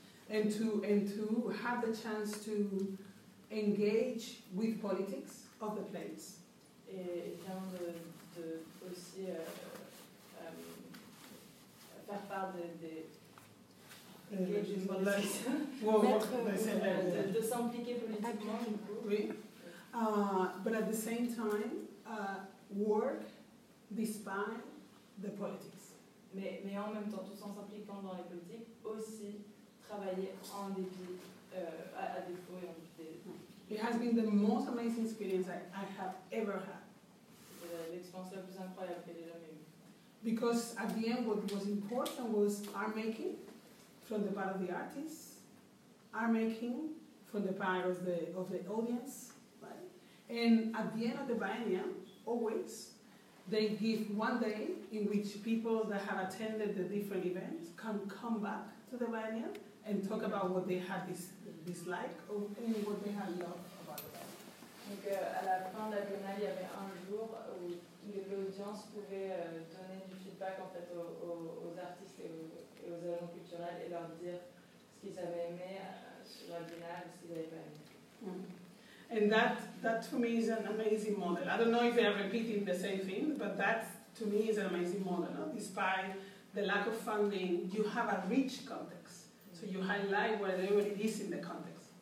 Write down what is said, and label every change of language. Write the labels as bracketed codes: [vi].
[en] And to have the chance to engage with politics of the place. [fr] Et bien de aussi faire part de politics. De s'impliquer politiquement, du coup. Oui. [en] But at the same time, work despite the politics. [fr] Mais en même temps, tout en s'impliquant dans les politiques, aussi travailler en dépit, à défaut et en dépit. [en] It has been the most amazing experience I have ever had. [fr] C'est l'expérience la plus incroyable que j'ai jamais eue. [en] Because at the end, what was important was art making from the part of the artists, art making from the part of the audience, right? And at the end of the biennium, always. They give one day in which people that have attended the different events can come back to the biennial and talk about what they had dislike or what they had loved about the biennial. [fr] Donc à la fin de la biennale, il y avait un jour où l'audience pouvait donner du feedback en fait aux artistes et aux agents culturels et leur dire ce qu'ils avaient aimé sur la biennale ou ce qu'ils n'avaient pas aimé. [en] And that to me is an amazing model. I don't know if they are repeating the same thing, but that to me is an amazing model. No? Despite the lack of funding, you have a rich context. So you highlight where everybody is in the context.